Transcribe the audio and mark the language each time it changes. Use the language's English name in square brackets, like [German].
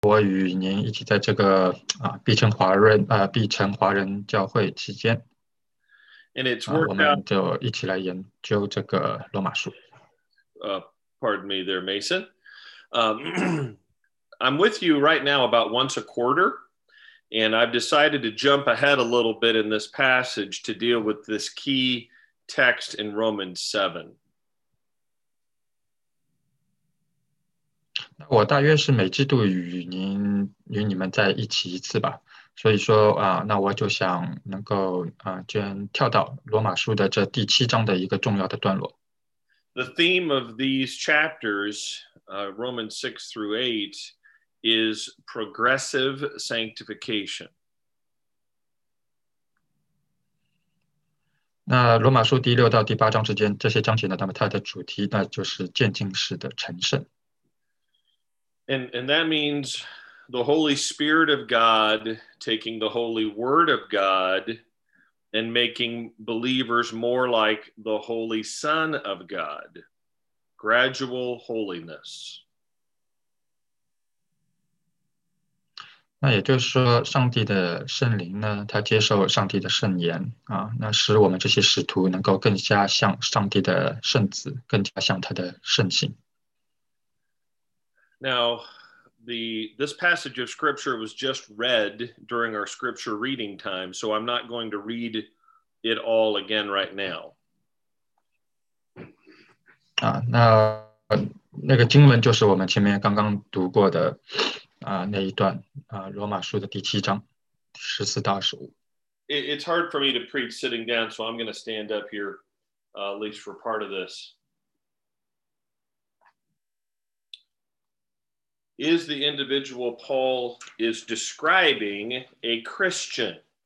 [Chinese] 我与您一起在这个槟城华人教会期间， [English] And it's [Chinese] 啊，我 [English] worked out. [Chinese] 们就一起来研究这个罗马书。 [English] Pardon me there, Mason. I'm with you right now about once a quarter, and I've decided to jump ahead a little bit in this passage to deal with this key text in Romans 7. [Chinese] 我大约是每季度与你们在一起一次吧，所以说那我就想能够先跳到罗马书的这第七章的一个重要的段落。 [English] The theme of these chapters, Romans 6 through 8, is progressive sanctification. [Chinese] 那罗马书第六到第八章之间这些章节呢，它的主题那就是渐进式的成圣。 [English] And that means the Holy Spirit of God taking the Holy Word of God and making believers more like the Holy Son of God. Gradual holiness. [Chinese] 那也就是说，上帝的圣灵呢，他接受上帝的圣言啊，那使我们这些使徒能够更加像上帝的圣子，更加像他的圣性。 [English] Now, this passage of scripture was just read during our scripture reading time, so I'm not going to read it all again right now. [Chinese] 啊，那个经文就是我们前面刚刚读过的。那一段罗马书的第七章14到15。 [English] It's hard for me to preach sitting down, so I'm going to stand up here, at least for part of this. Is the individual Paul is describing a Christian?